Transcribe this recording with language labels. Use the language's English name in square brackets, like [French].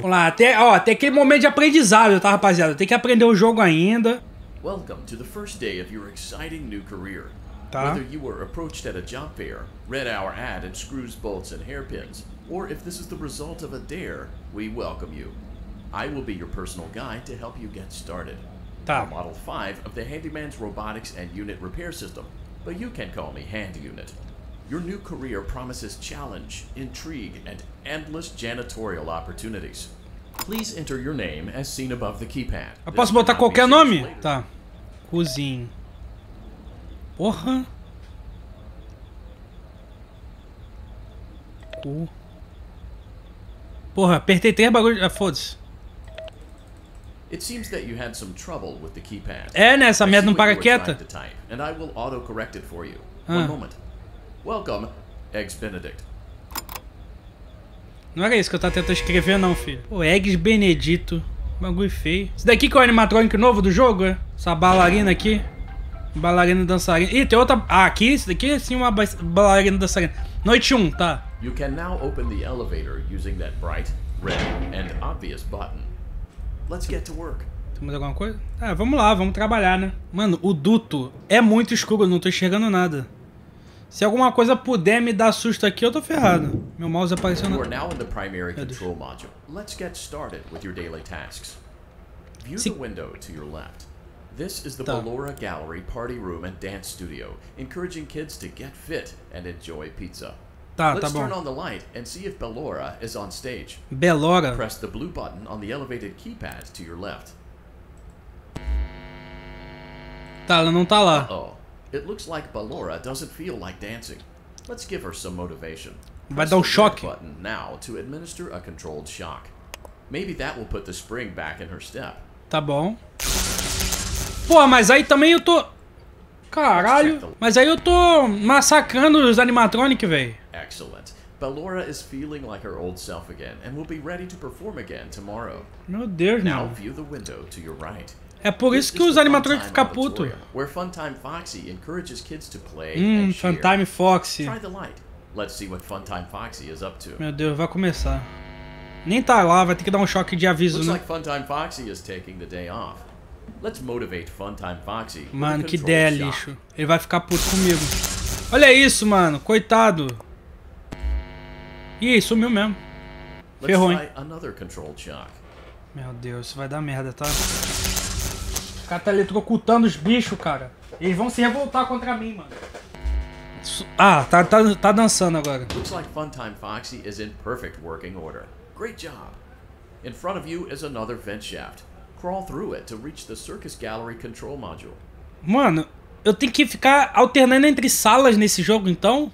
[Portuguese] Vamos lá, até aquele momento de aprendizado, tá, rapaziada? Tem que aprender o jogo ainda. [English] Welcome to the first day of your exciting new career. [Portuguese] Tá. [English] Whether you were approached at a job fair, read our ad in screws, bolts and hairpins, or if this is the result of a dare, we welcome you. I will be your personal guide to help you get started. [Portuguese] Tá. [English] Model 5 of the Handyman's Robotics and Unit Repair System, but you can call me Hand Unit. Your new career promises challenge, intrigue, and endless janitorial opportunities. Please enter your name as seen above the keypad. [Portuguese] Eu posso botar qualquer nome? Tá. Cozinha. Porra. Porra, apertei três bagulho. Ah, foda-se. [English] It seems that you had some trouble with the keypad. [Portuguese] É, né? Essa merda não para quieta. [English] Type, and I will auto-correct it for you. One moment. Welcome, Eggs Benedict. [Portuguese] Não era isso que eu tava tentando escrever, não, filho. Pô, Eggs Benedito. Bagulho feio. Isso daqui que é o animatrônico novo do jogo, é? Essa bailarina aqui. Bailarina dançarina. Ih, tem outra... Ah, aqui? Isso daqui é sim uma bailarina dançarina. Noite 1, tá. [English] You can now open the elevator using that bright, red, and obvious button. Let's get to work. [Portuguese] Temos alguma coisa? Ah, vamos lá, vamos trabalhar, né? Mano, o duto é muito escuro, não tô enxergando nada. Se alguma coisa puder me dar susto aqui, eu tô ferrado. Meu mouse apareceu na... [English] You are now in the primary control module. Let's get started with your daily tasks. View the window to your left. This is the Ballora Gallery Party Room and Dance Studio, encouraging kids to get fit and enjoy pizza. [Portuguese] Tá, [English] let's [Portuguese] tá [English] turn [Portuguese] bom. [English] On the light and see if Ballora is on stage. Ballora. Press the blue button on the elevated keypad to your left. [Portuguese] Tá, ela não tá lá. [English] Uh-oh. It looks like Ballora doesn't feel like dancing. Let's give her some motivation. [Portuguese] Vai dar um choque. [English] Press the button now to administer a controlled shock. Maybe that will put the spring back in her step. [Portuguese] Tá bom. Pô, mas aí também eu tô... Caralho. Mas aí eu tô massacrando os animatronic, velho. [English] Excellent. Ballora is feeling like her old self again and will be ready to perform again tomorrow. [Portuguese] Meu Deus, [English] now view the window to your right. [Portuguese] É por isso que os animatrônicos ficam putos. [English] Where Funtime Foxy encourages kids to play and share. Funtime Foxy. Try the light. Let's see what Funtime Foxy is up to. [Portuguese] Meu Deus, vai começar. Nem tá lá, vai ter que dar um choque de aviso. [English] Looks [Portuguese] né? [English] Like Funtime Foxy is taking the day off. Let's motivate Funtime Foxy. [Portuguese] Mano, que ideia lixo. Ele vai ficar puto comigo. Olha isso, mano. Coitado. Ih, sumiu mesmo. Ferrou, hein? [English] Another control shock. [Portuguese] Meu Deus, isso vai dar merda, tá? O cara tá eletrocutando os bichos, cara. Eles vão se revoltar contra mim, mano. Ah, tá dançando agora. [English] Looks like Funtime Foxy is in perfect working order. Great job. In front of you is another vent shaft. Crawl through it to reach the Circus Gallery control module. [Portuguese] Mano, eu tenho que ficar alternando entre salas nesse jogo, então?